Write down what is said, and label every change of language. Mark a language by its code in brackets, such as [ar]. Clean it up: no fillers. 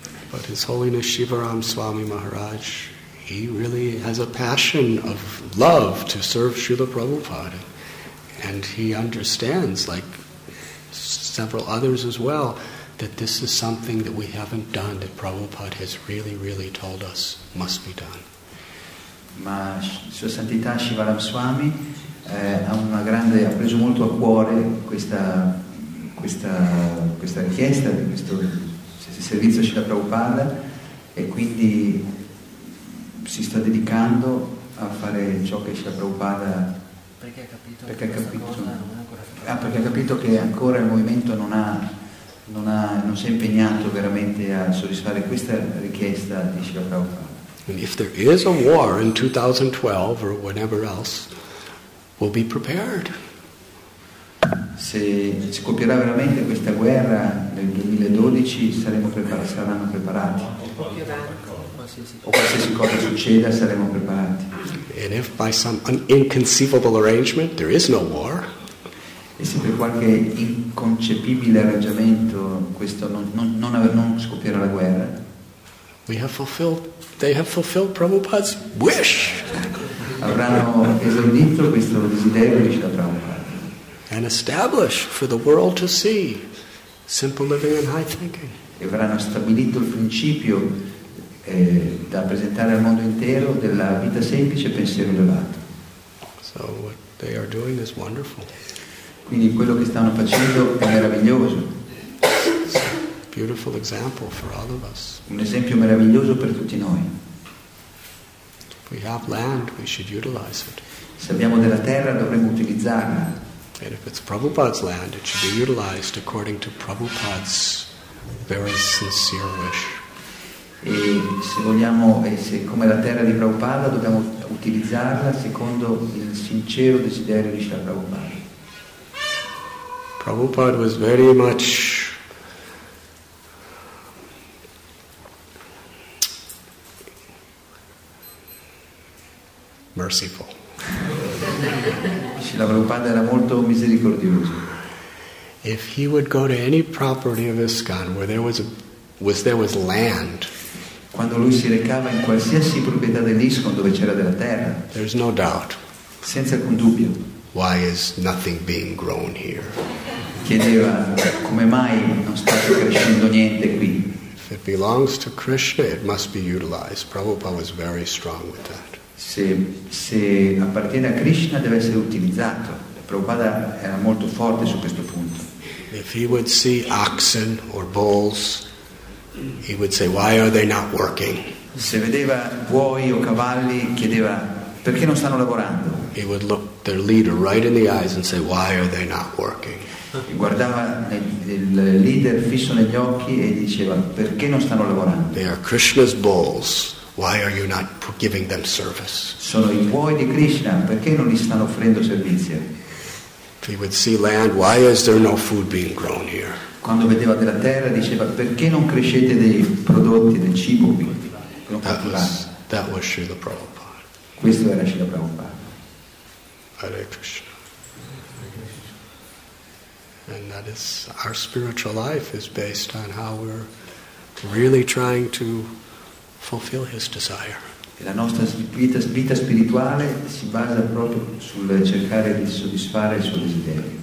[en] But His Holiness Shivaram Swami Maharaj, he really has a passion of love to serve Srila Prabhupada. And he understands, like several others as well, that this is something that we haven't done, that Prabhupada has really, really told us must be done. [it] Ma Sua Santità Shivaram Swami ha preso molto a cuore questa richiesta di questo servizio Srila Prabhupada e quindi si sta dedicando a fare ciò che Srila Prabhupada perché ha capito che ancora il movimento non ha non si è impegnato veramente a soddisfare questa richiesta di Srila Prabhupada. [en] And if there is a war in 2012 or whatever else, we'll be prepared. [it] Se scoppierà veramente questa guerra nel 2012, saranno preparati. O qualsiasi cosa succeda, saremo preparati. [en] And if by some inconceivable arrangement there is no war, [it] e se per qualche inconcepibile arrangiamento questo non scoppierà la guerra, [en] they have fulfilled Prabhupada's wish. [it] Avranno esaudito questo desiderio di Srila Prabhupada. [en] And establish for the world to see simple living and high thinking. [it] E avranno stabilito il principio da presentare al mondo intero della vita semplice e pensiero elevato. [en] So what they are doing is wonderful. [it] Quindi quello che stanno facendo è meraviglioso. [en] Beautiful example for all of us. [it] Un esempio meraviglioso per tutti noi. [en] If we have land, we should utilize it. [it] Se abbiamo della terra, dovremmo utilizzarla. [en] And if it's Prabhupada's land, it should be utilized according to Prabhupada's very sincere wish. [it] E se vogliamo, e se come la terra di Prabhupada, dobbiamo utilizzarla secondo il sincero desiderio di Srila Prabhupada. [en] Prabhupada was very much merciful. [it] Srila Prabhupada era molto misericordioso. [en] If he would go to any property of ISKCON where there was land, [it] quando lui si recava in qualsiasi proprietà dell'ISKCON dove c'era della terra, [en] there's no doubt, [it] senza alcun dubbio, [en] why is nothing being grown here? [it] Chiedeva: come mai non sta crescendo niente qui? [en] If it belongs to Krishna, it must be utilized. Prabhupada was very strong with that. [it] Se appartiene a Krishna, deve essere utilizzato. Prabhupada era molto forte su questo punto. [en] If he would see oxen or bulls, he would say, why are they not working? [it] Se vedeva buoi o cavalli, chiedeva: perché non stanno lavorando? [en] He would look their leader right in the eyes and say, why are they not working? [it] Guardava il leader fisso negli occhi e diceva: perché non stanno lavorando? [en] They are Krishna's bulls. Why are you not giving them service? [it] Sono i buoi di Krishna, perché non gli stanno offrendo servizio? [en] If he would see land, why is there no food being grown here? [it] Quando vedeva della terra, diceva: perché non crescete dei prodotti, del cibo qui? [en] That was Srila Prabhupada. [it] Questo era Srila Prabhupada. [en] Hare Krishna. And that is our spiritual life is based on how we're really trying to fulfill his desire. [it] E la nostra vita spirituale si basa proprio sul cercare di soddisfare il suo desiderio.